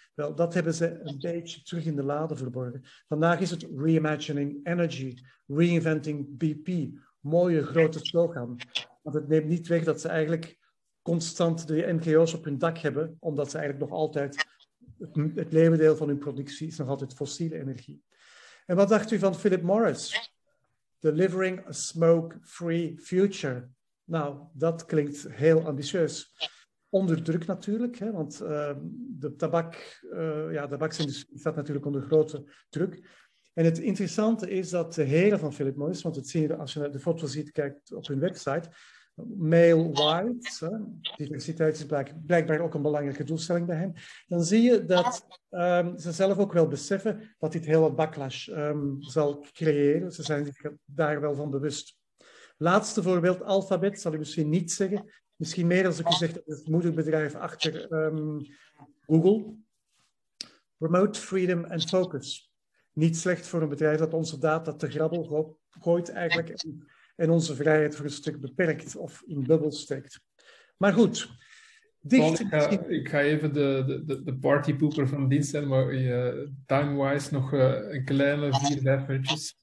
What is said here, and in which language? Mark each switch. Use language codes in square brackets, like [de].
[nl] Wel, dat hebben ze een beetje terug in de lade verborgen. Vandaag is het [en] Reimagining Energy, Reinventing BP. [nl] Mooie grote slogan. Want het neemt niet weg dat ze eigenlijk constant de NGO's op hun dak hebben, omdat ze eigenlijk nog altijd het leeuwendeel van hun productie is nog altijd fossiele energie. En wat dacht u van Philip Morris? [en] Delivering a smoke-free future. [nl] Nou, dat klinkt heel ambitieus. Onder druk natuurlijk, hè, want de tabaksindustrie staat natuurlijk onder grote druk. En het interessante is dat de heren van Philip Morris, want het zie je als je de foto ziet, kijkt op hun website, [en] male white, [nl] hè, diversiteit is blijkbaar ook een belangrijke doelstelling bij hen, dan zie je dat ze zelf ook wel beseffen dat dit heel wat backlash zal creëren. Ze zijn zich daar wel van bewust. Laatste voorbeeld, Alphabet, zal ik misschien niet zeggen. Misschien meer als ik u zeg, het moederbedrijf achter Google. [en] Promote freedom and focus. [nl] Niet slecht voor een bedrijf dat onze data te grabbel gooit eigenlijk en onze vrijheid voor een stuk beperkt of in bubbel steekt. Maar goed. Ik ga even de partypooper van dienst zijn, maar time-wise nog een kleine 4-5 minuutjes.